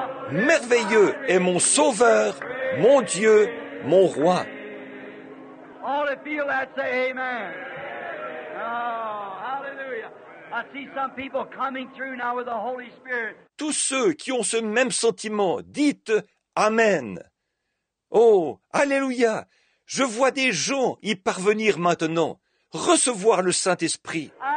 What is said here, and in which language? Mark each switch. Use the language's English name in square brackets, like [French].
[French] Merveilleux est mon sauveur, mon Dieu, mon roi. [English] All that feel that, say amen. Oh, hallelujah. I see some people coming through now with the Holy Spirit. [French] Tous ceux qui ont ce même sentiment, dites amen. Oh, alléluia. Je vois des gens y parvenir maintenant, recevoir le Saint-Esprit.